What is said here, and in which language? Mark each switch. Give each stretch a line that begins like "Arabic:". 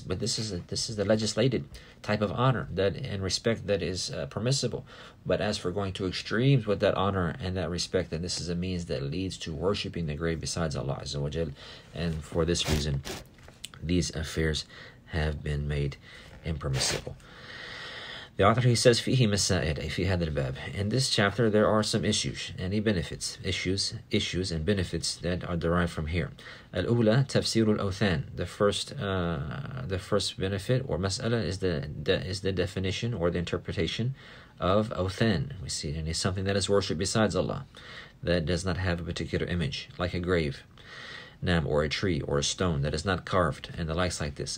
English: But this is the legislated type of honor that and respect that is permissible. But as for going to extremes with that honor and that respect, then this is a means that leads to worshiping the grave besides Allah Azza wa Jal. And for this reason, these affairs have been made impermissible.
Arabic: The author, he says, فِيهِ مَسَائِرَ فِي هَذَا الْبَابِ.
English: In this chapter, there are some issues, any benefits, issues and benefits that are derived from here.
Arabic: الْأُولَى تَفْسِيرُ الْأَوْثَانِ.
English: The first benefit or mas'ala is the definition or the interpretation of awthan. We see it is something that is worshipped besides Allah, that does not have a particular image, like a grave, nam, or a tree, or a stone that is not carved, and the likes like this.